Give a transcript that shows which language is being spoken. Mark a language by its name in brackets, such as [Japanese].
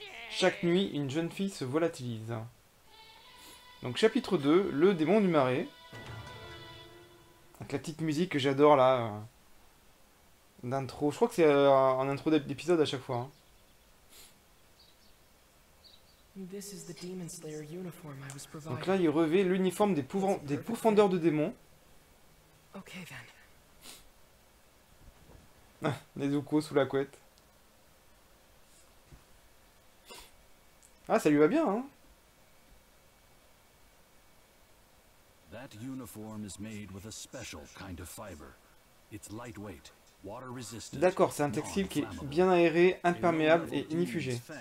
[French] Chaque nuit, une jeune fille se volatilise. Donc chapitre 2, le démon du marais. Avec la petite musique que j'adore là. D'intro. Je crois que c'est un intro d'épisode à chaque fois. Hein. [English] This is the Demon Slayer uniform I was provided. [French] Donc là, il revêt l'uniforme des pourfendeurs de démons. [English] Okay, then. [French] Nezuko sous la couette. Ah, ça lui va bien, hein. [English] That uniform is made with a special kind of fiber. It's lightweight. [French] D'accord, c'est un textile qui est bien aéré, imperméable et inifugé.